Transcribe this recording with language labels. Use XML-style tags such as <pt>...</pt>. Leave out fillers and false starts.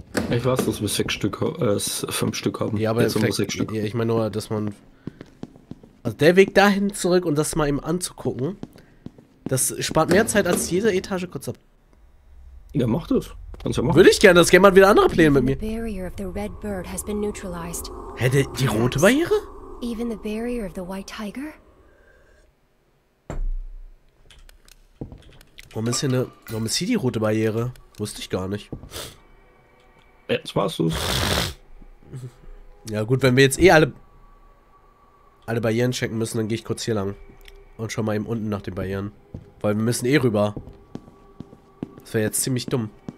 <de>Ich weiß, dass wir fünf Stück haben. Ja, aber jetzt sechs Stück. Ja, ich meine nur, dass man. Also der Weg dahin zurück und das mal eben anzugucken, das spart mehr Zeit als jede Etage kurz ab. Ja, mach das. Kannst ja machen. Würde ich gerne, das Game hat wieder andere Pläne mit mir. Die rote Barriere?</de> <en>Even the barrier of the white tiger?</en> <de>Warum ist hier die rote Barriere? Wusste ich gar nicht. Jetzt warst du's. Ja gut, wenn wir jetzt eh alle Barrieren checken müssen, dann gehe ich kurz hier lang. Und schau mal eben unten nach den Barrieren. Weil wir müssen eh rüber. Das wäre jetzt ziemlich dumm.</de>